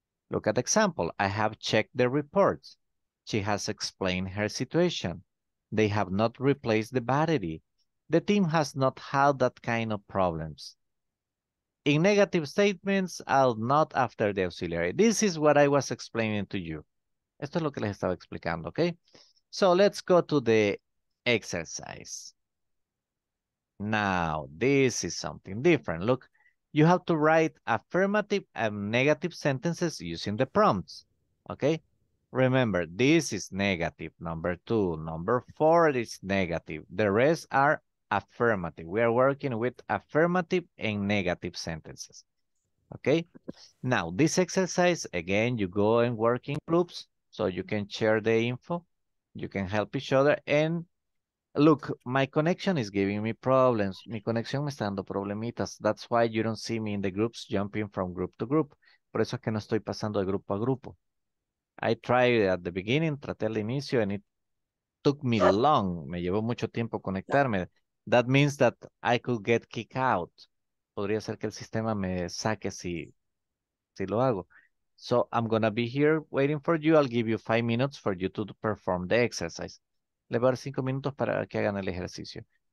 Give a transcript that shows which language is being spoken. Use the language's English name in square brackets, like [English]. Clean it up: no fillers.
[English] Look at the example. I have checked the reports. She has explained her situation. They have not replaced the battery. The team has not had that kind of problems. In negative statements, I'll not after the auxiliary. This is what I was explaining to you. [Spanish] Esto es lo que les estaba explicando, okay? [English] So let's go to the exercise. Now, this is something different. Look, you have to write affirmative and negative sentences using the prompts, okay? Remember, this is negative. Number two, number four is negative. The rest are affirmative. We are working with affirmative and negative sentences, okay? Now, this exercise, again, you go and work in groups so you can share the info. You can help each other. And look, my connection is giving me problems. [Spanish] Mi conexión me está dando problemitas. [English] That's why you don't see me in the groups jumping from group to group. [Spanish] Por eso es que no estoy pasando de grupo a grupo. [English] I tried at the beginning, [Spanish] traté al inicio, [English] and it took me long. [Spanish] Me llevó mucho tiempo conectarme. [English] That means that I could get kicked out. [Spanish] Podría ser que el sistema me saque si lo hago. [English] So I'm gonna be here waiting for you. I'll give you 5 minutes for you to perform the exercise. [Spanish] Le voy a dar 5 minutos para que hagan el ejercicio.